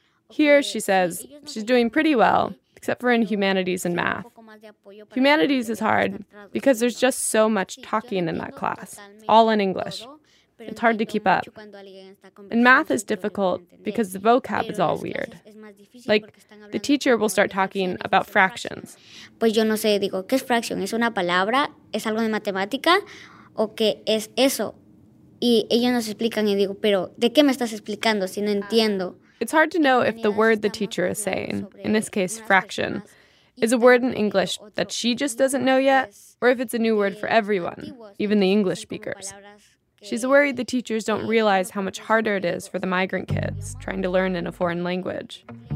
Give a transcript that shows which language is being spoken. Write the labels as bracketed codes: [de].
[en] Here, she says, she's doing pretty well, except for in humanities and math. Humanities is hard because there's just so much talking in that class, all in English. It's hard to keep up. And math is difficult because the vocab is all weird. Like, the teacher will start talking about fractions. [es] Pues yo no sé, digo, ¿qué es fracción? ¿Es una palabra? ¿Es algo de matemática? ¿O qué es eso? Y ellos nos explican y digo, pero ¿de qué me estás explicando si no entiendo? [en] It's hard to know if the word the teacher is saying, in this case, fraction, is a word in English that she just doesn't know yet, or if it's a new word for everyone, even the English speakers. She's worried the teachers don't realize how much harder it is for the migrant kids trying to learn in a foreign language.